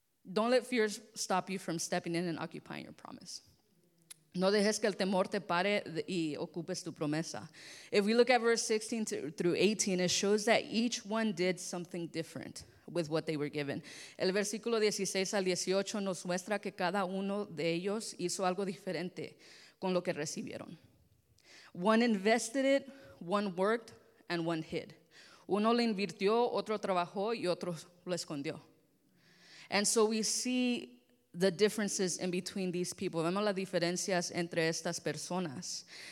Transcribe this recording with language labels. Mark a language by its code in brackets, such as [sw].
[en] Don't let fears stop you from stepping in and occupying your promise. [es] No dejes que el temor te pare y ocupes tu promesa. [en] If we look at verse 16 through 18, it shows that each one did something different with what they were given. [es] El versículo 16 al 18 nos muestra que cada uno de ellos hizo algo diferente con lo que recibieron. [en] One invested it, one worked, and one hid. [es] Uno lo invirtió, otro trabajó, y otro lo escondió. [en] And so we see the differences in between these people. [es] Vemos las diferencias entre estas personas.